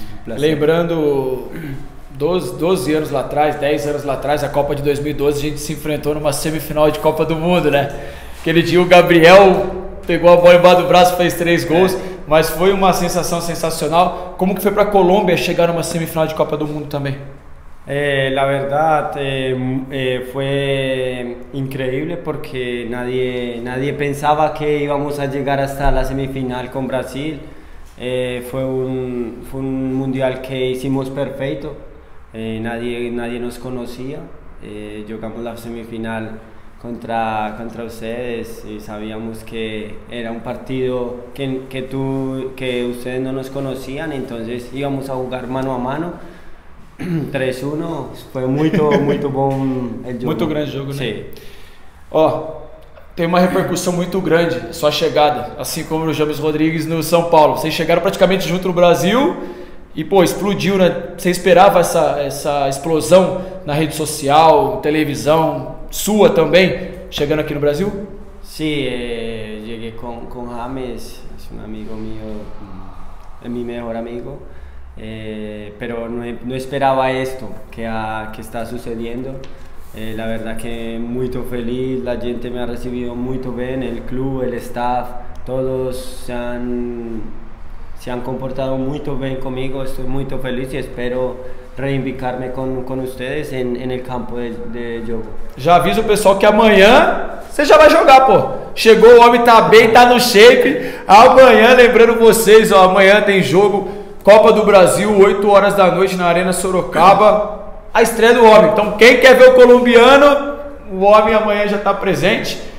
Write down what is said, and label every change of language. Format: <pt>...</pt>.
<pt>Lembrando 12 anos lá atrás, 10 anos lá atrás, a Copa de 2012, a gente se enfrentou numa semifinal de Copa do Mundo, né? Aquele dia o Gabriel pegou a bola embaixo do braço, fez 3 gols, mas foi uma sensação sensacional. Como que foi para a Colômbia chegar numa semifinal de Copa do Mundo também?</pt> <es>La verdad, fue increíble porque nadie pensaba que íbamos a llegar hasta la semifinal con Brasil. Fue un mundial que hicimos perfecto. Nadie nos conocía, jugamos la semifinal contra ustedes y sabíamos que era un partido que ustedes no nos conocían, entonces íbamos a jugar mano a mano, 3-1, fue muy buen el juego. Muy gran juego, ¿no? Sí. Oh.</es> <pt>Tem uma repercussão muito grande a sua chegada, assim como o James Rodrigues no São Paulo. Vocês chegaram praticamente junto no Brasil e, pô, explodiu, né? Você esperava essa explosão na rede social, televisão, sua também, chegando aqui no Brasil? Sim, cheguei com o James, um amigo meu, é meu melhor amigo, mas não esperava isso que está sucedendo.</pt> <es>La verdad que muy feliz, la gente me ha recibido muy bien, el club, el staff, todos se han comportado muy bien conmigo, estoy muy feliz y espero reivindicarme con ustedes en el campo de juego. Ya aviso al</es> <pt>pessoal que amanhã você já vai jogar, pô. Chegou, o homem tá bem, tá no shape. Amanhã, lembrando vocês, ó, amanhã tem jogo Copa do Brasil, 8 horas da noite na Arena Sorocaba. A estreia do homem. Então, quem quer ver o colombiano, o homem amanhã já está presente.</pt>